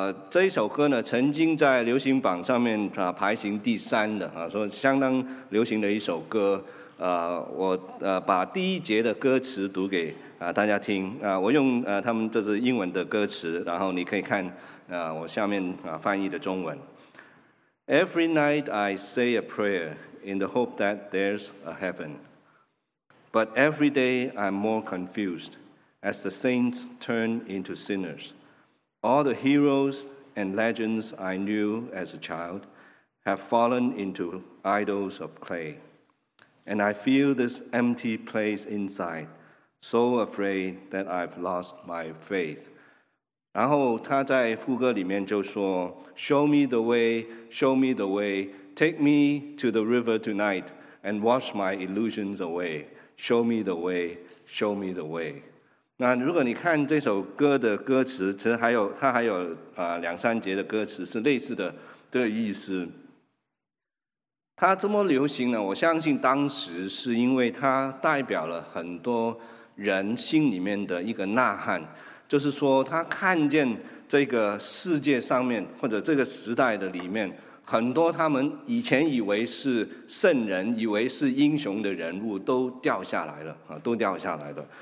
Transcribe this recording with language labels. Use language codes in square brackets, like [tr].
[zh] 这一首歌呢，曾经在流行榜上面排行第三的说相当流行的一首歌。我把第一节的歌词读给大家听我用他们这是英文的歌词，然后你可以看我下面翻译的中文。 [en] Every night I say a prayer in the hope that there's a heaven, but every day I'm more confused as the saints turn into sinners. All the heroes and legends I knew as a child have fallen into idols of clay. And I feel this empty place inside, so afraid that I've lost my faith. [zh] 然后他在副歌里面就说 [en] Show me the way, show me the way, take me to the river tonight and wash my illusions away. Show me the way, show me the way. [zh] 那如果你看这首歌的歌词，其实还有它还有两三节的歌词是类似的这个意思。它这么流行呢，我相信当时是因为它代表了很多人心里面的一个呐喊，就是说他看见这个世界上面或者这个时代的里面很多他们以前以为是圣人以为是英雄的人物都掉下来了，都掉下来了。